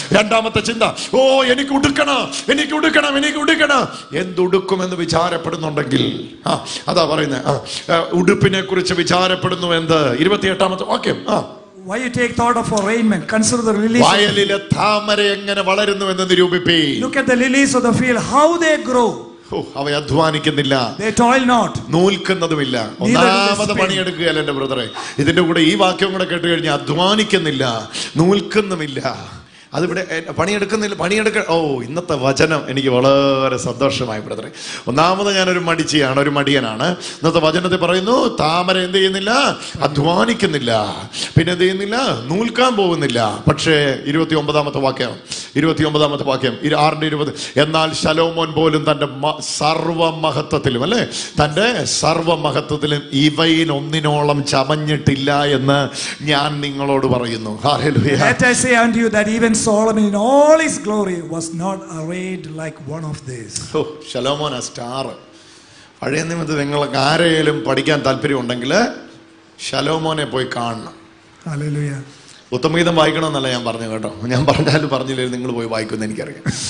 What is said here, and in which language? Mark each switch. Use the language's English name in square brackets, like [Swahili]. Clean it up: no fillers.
[Malayalam] രണ്ടാമത്തെ ചിന്ത, ഓ എനിക്ക് ഉടുക്കണം, എനിക്ക് ഉടുക്കണം, എനിക്ക് ഉടുക്കണം. എന്തുടുക്കുമെന്ന് വിചാരപ്പെടുന്നുണ്ടെങ്കിൽ, ആ അതാ പറയുന്നത്, ഉടുപ്പിനെ കുറിച്ച് വിചാരപ്പെടുന്നു എന്ത്? 28-ാമത്തെ okay. [English] Why you take thought of a raiment? Consider the lilies. [Malayalam] വയലിലെ താമര എങ്ങനെ വളരുന്നു എന്ന് നിരൂപിപ്പീ. [English] Look at the lilies of the field, how they grow. [Malayalam] അവ അധ്വാനിക്കുന്നില്ല, നൂൽക്കുന്നതുമില്ല, ഒന്നാമത് പണിയെടുക്കുകയല്ല എന്റെ ബ്രദറെ. ഇതിന്റെ കൂടെ ഈ വാക്യം കൂടെ കേട്ട് കഴിഞ്ഞാൽ, അധ്വാനിക്കുന്നില്ല, നൂൽക്കുന്നുമില്ല, അതിവിടെ പണിയെടുക്കുന്നില്ല, പണിയെടുക്ക. ഓ ഇന്നത്തെ വചനം എനിക്ക് വളരെ സന്തോഷമായി ബ്രദറെ. ഒന്നാമത് ഞാനൊരു മടിച്ചിയാണ്, ഒരു മടിയനാണ്. ഇന്നത്തെ വചനത്തിൽ പറയുന്നു, താമര എന്ത് ചെയ്യുന്നില്ല, അധ്വാനിക്കുന്നില്ല, പിന്നെ എന്ത് ചെയ്യുന്നില്ല, നൂൽക്കാൻ പോകുന്നില്ല. പക്ഷേ 29-ാമത്തെ വാക്യം, 29-ാമത്തെ വാക്യം, 6:20, എന്നാൽ ശലോമോൻ പോലും തൻ്റെ സർവമഹത്വത്തിലും, അല്ലേ, തൻ്റെ സർവമഹത്വത്തിലും ഇവയിൽ ഒന്നിനോളം ചമഞ്ഞിട്ടില്ല എന്ന് ഞാൻ നിങ്ങളോട് പറയുന്നു. [English] Even Solomon in all his glory was not arrayed like one of these. Oh, Solomon a star. [Malayalam] പഴയ നിയമത്തിൽ നിങ്ങൾ ആരെങ്കിലും പഠിക്കാൻ താല്പര്യമുണ്ടെങ്കിൽ ശലോമോനെ പോയി കാണണം. [English] Hallelujah. [Malayalam] ഉത്തമഗീതം വായിക്കണമെന്നല്ല ഞാൻ പറഞ്ഞു കേട്ടോ, ഞാൻ പറഞ്ഞാലും പറഞ്ഞില്ലേ, നിങ്ങൾ പോയി വായിക്കുന്നു എനിക്കറിയാം.